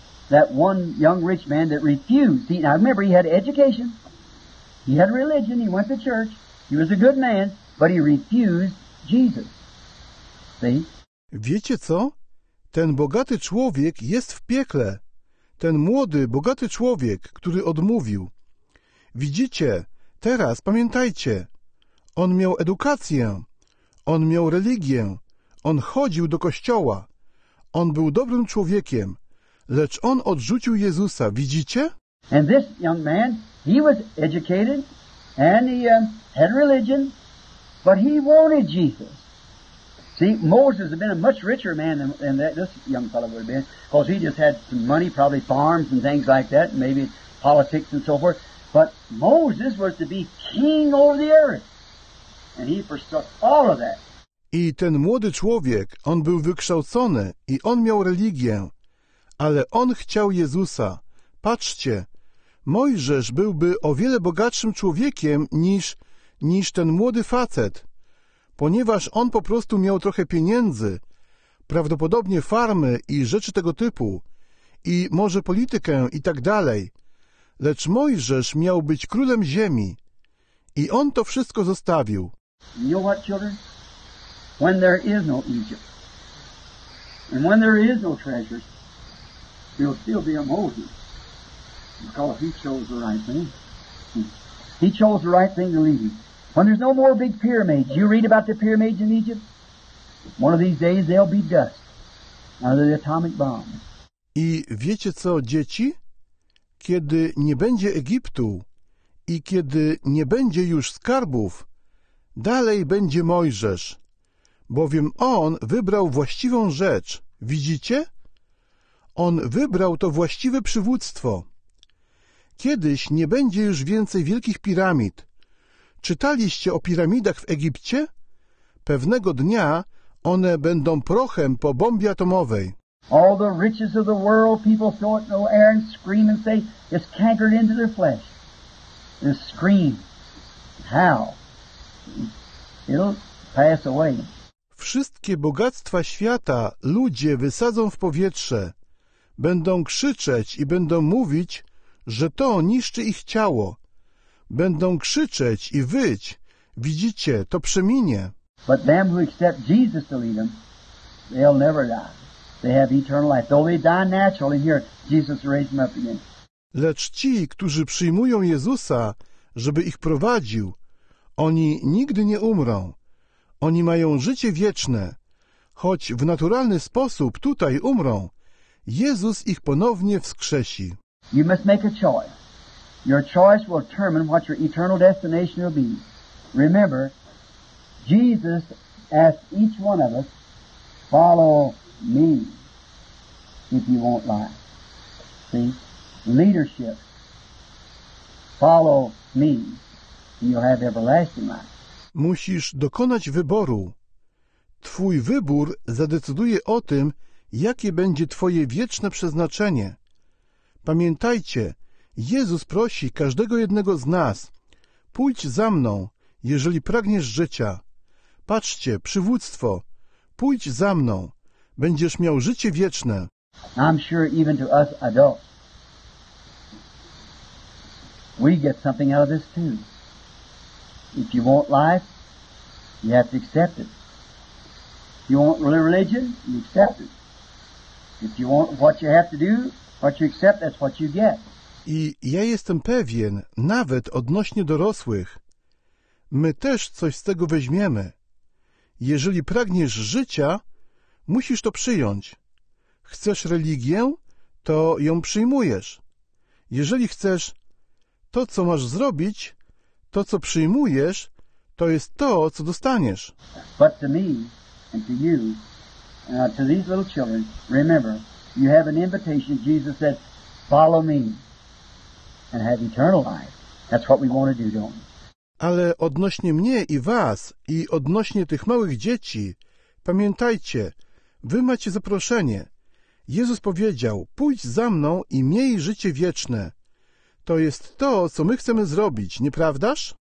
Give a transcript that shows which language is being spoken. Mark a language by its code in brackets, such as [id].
[en] That one young rich man that refused. Now remember, he had education. He had religion. He went to church. He was a good man, but he refused Jesus. See? [pl] Wiecie co? Ten bogaty człowiek jest w piekle. Ten młody, bogaty człowiek, który odmówił. Widzicie, teraz pamiętajcie. On miał edukację. On miał religię. On chodził do kościoła. On był dobrym człowiekiem. Lecz on odrzucił Jezusa, widzicie? [en] And this young man, he was educated and he had religion, but he wanted Jesus. See, Moses had been a much richer man than that, this young fellow would have been, because he just had some money, probably farms and things like that, maybe politics and so forth. But Moses was to be king over the earth. And he forsook all of that. [pl] I ten młody człowiek, on był wykształcony i on miał religię, ale on chciał Jezusa. Patrzcie, Mojżesz byłby o wiele bogatszym człowiekiem niż ten młody facet, ponieważ on po prostu miał trochę pieniędzy, prawdopodobnie farmy i rzeczy tego typu, i może politykę i tak dalej. Lecz Mojżesz miał być królem ziemi i on to wszystko zostawił. [en] You know what, children? When there is no Egypt and when there is no treasures, he'll still be a Moses, because he chose the right thing. He chose the right thing to lead him. When there's no more big pyramids, you read about the pyramids in Egypt? One of these days they'll be dust under the atomic bomb. [pl] I wiecie co, dzieci? Kiedy nie będzie Egiptu i kiedy nie będzie już skarbów, dalej będzie Mojżesz, bowiem on wybrał właściwą rzecz. Widzicie? On wybrał to właściwe przywództwo. Kiedyś nie będzie już więcej wielkich piramid. Czytaliście o piramidach w Egipcie? Pewnego dnia one będą prochem po bombie atomowej. [en] All the riches of the world, people throw it in the air and scream and say, it's cankered into their flesh. They scream. How? It'll pass away. [pl] Wszystkie bogactwa świata ludzie wysadzą w powietrze. Będą krzyczeć i będą mówić, że to niszczy ich ciało. Będą krzyczeć i wyć. Widzicie, to przeminie. [en] But them who accept Jesus to lead them, they'll never die. They have eternal life. Though they die naturally here, Jesus raised them up again. [pl] Lecz ci, którzy przyjmują Jezusa, żeby ich prowadził, oni nigdy nie umrą. Oni mają życie wieczne. Choć w naturalny sposób tutaj umrą, Jezus ich ponownie wskrzesi. [en] You must make a choice. Your choice will determine what your eternal destination will be. Remember, Jesus asked each one of us, follow me if you want life. See? Leadership. Follow me and you'll have everlasting life. [pl] Musisz dokonać wyboru. Twój wybór zadecyduje o tym, jakie będzie twoje wieczne przeznaczenie. Pamiętajcie, Jezus prosi każdego jednego z nas, pójdź za mną, jeżeli pragniesz życia. Patrzcie, przywództwo, pójdź za mną, będziesz miał życie wieczne. [en] I'm sure even to us adults, we get something out of this too. If you want life, you have to accept it. If you want religion, you accept it. If you want what you have to do, what you accept, that's what you get. [pl] I ja jestem pewien, nawet odnośnie dorosłych, my też coś z tego weźmiemy. Jeżeli pragniesz życia, musisz to przyjąć. Chcesz religię, to ją przyjmujesz. Jeżeli chcesz to, co masz zrobić, to, co przyjmujesz, to jest to, co dostaniesz. [en] But to me and to you, to these little children, remember, you have an invitation. Jesus said, follow me and have eternal life. That's what we want to do, don't we? [pl] Ale odnośnie mnie i was, i odnośnie tych małych dzieci, pamiętajcie, wy macie zaproszenie. Jezus powiedział, pójdź za mną i miej życie wieczne. To jest to, co my chcemy zrobić, nieprawdaż?